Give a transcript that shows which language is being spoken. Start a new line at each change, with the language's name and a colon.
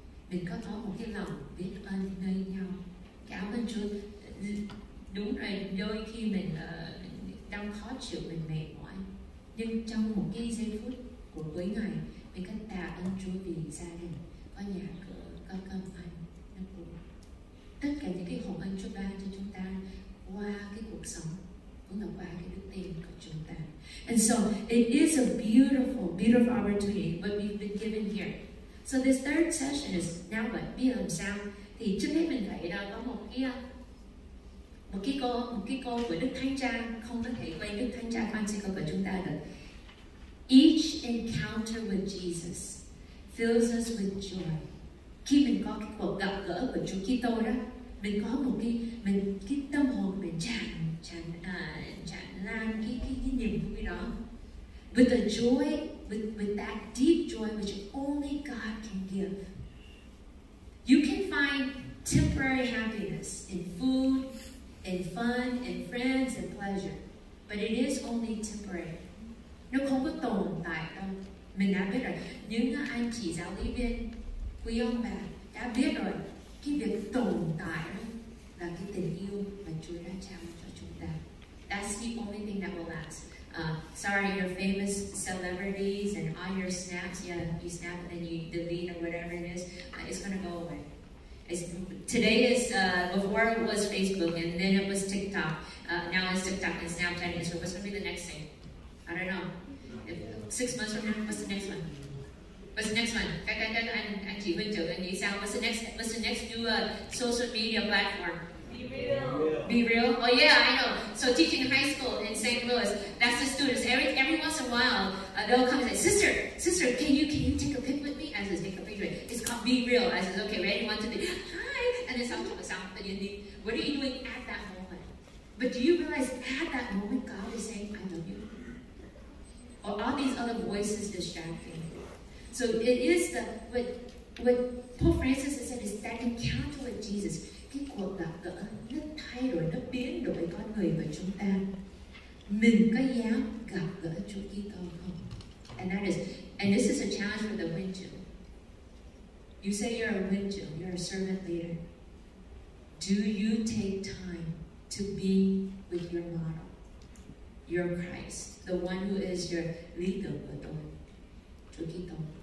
Vietnamese: Mình có có một cái lòng biết ơn nơi nhau. Cảm ơn Chúa. Đúng rồi, đôi khi mình đang khó chịu, mình mệt mỏi. Nhưng trong một cái giây phút của cuối ngày, mình có tạ ơn Chúa vì gia đình, có nhà cửa, có cơm ăn, nó cũng. Tất cả những cái hồn ân Chúa ban cho chúng ta qua cái cuộc sống, cũng là qua cái đức tin của chúng ta.
English: And so, it is a beautiful, beautiful opportunity what we've been given here. So this third session is now what? Be
Vietnamese: làm sao? Thì trước hết mình thấy đó có một cái cô của Đức Thánh Cha, không có thể quay Đức Thánh Cha Francisco của chúng ta được.
English: Each encounter with Jesus fills us with joy.
Vietnamese: Khi mình có cái cuộc gặp gỡ của Chúa Kitô đó, mình có một cái mình cái tâm hồn mình tràn lan cái niềm vui đó.
English: With the joy, with that deep joy which only God can give. You can find temporary happiness in food, in fun, in friends, in pleasure, but it is only temporary.
Vietnamese: Nó không có tồn tại đâu. Mình đã biết rồi. Những anh chị giáo lý viên, quý ông bà đã biết rồi. Cái việc tồn tại là cái tình yêu mà Chúa đã trao cho chúng ta.
English: That's the only thing that will last. Sorry, your famous celebrities and all your snaps. Yeah, you snap and then you delete or whatever it is. It's gonna go away. Before it was Facebook and then it was TikTok. Now it's TikTok and Snapchat. So what's gonna be the next thing? I don't know. If 6 months from now, what's the next one? What's the next one?
Vietnamese: Các anh chị Huyen trưởng, anh nghĩ sao?
English: What's the next new social media platform? Be real. Oh yeah, I know. So teaching high school in St. Louis, that's the students. Every once in a while, they'll come and say, Sister, can you take a pic with me? I said, take a picture. It's called Be Real. I said, okay, ready? One, two, three. Hi. And then something. What are you doing at that moment? But do you realize at that moment, God is saying, I love you? Or all these other voices distracting? So it is the what Pope Francis has said is that encounter with Jesus.
Vietnamese: Cái cuộc gặp gỡ, nó thay đổi, nó biến đổi con người của chúng ta. Mình có dám gặp gỡ Chúa Kitô không?
English: And this is a challenge for the Huyen. You say you're a Huyen, you're a servant leader. Do you take time to be with your model, your Christ, the one who is your leader, Chúa Kitô?